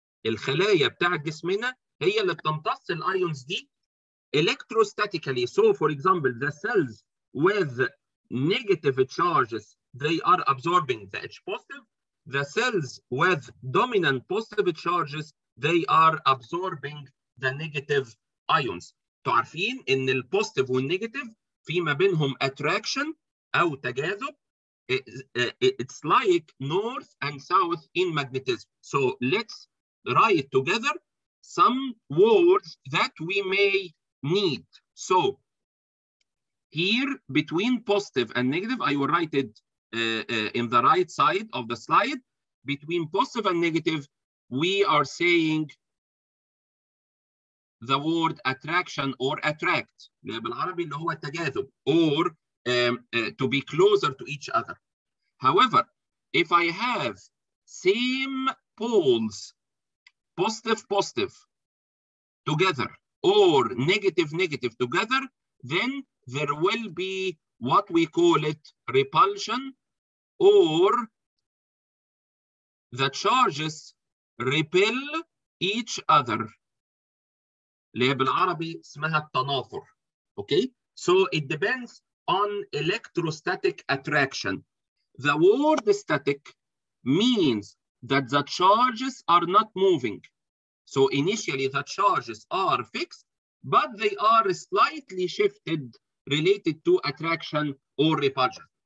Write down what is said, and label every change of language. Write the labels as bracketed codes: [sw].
[ar] الخلايا بتاع جسمنا هي اللي بتمتص الايونز دي electrostatically. [en] So for example, the cells with negative charges, they are absorbing the H positive. The cells with dominant positive charges, they are absorbing the negative ions. [ar] تعرفين ان البوزيتيف والنيجاتيف في ما بينهم attraction او تجاذب. [en] It's like north and south in magnetism. So let's write together some words that we may need. So here between positive and negative, I will write it in the right side of the slide. Between positive and negative, we are saying the word attraction or attract, [ar] بالعربي اللي هو التجاذب, [en] or to be closer to each other. However, if I have same poles, positive positive together or negative negative together, then there will be what we call it repulsion, or the charges repel each other. [ar] اللي هي بالعربي اسمها التنافر. [en] Okay, so it depends on electrostatic attraction. The word static means that the charges are not moving. So initially the charges are fixed, but they are slightly shifted related to attraction or repulsion.